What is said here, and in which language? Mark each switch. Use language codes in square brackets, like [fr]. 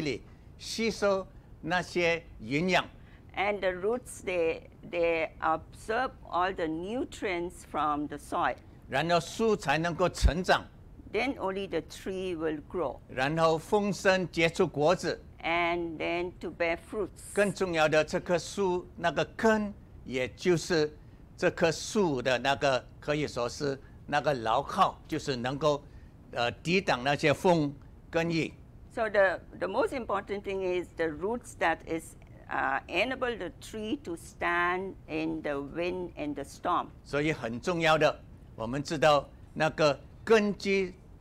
[zh] 然后那棵树的根也从那个土地里吸收那些营养。 [en] And the roots, they absorb all the nutrients from the soil. [zh] 然后树才能够成长。 [en] Then only the tree will grow. [zh] 然后丰盛结出果子。 [en] And then to bear fruits. [zh] 更重要的，这棵树那个根，也就是这棵树的那个可以说是那个牢靠，就是能够抵挡那些风跟雨。 [en] So the most important thing is the roots that is enable the tree to stand in the wind and the storm. [zh] 所以很重要的，我们知道那个根基。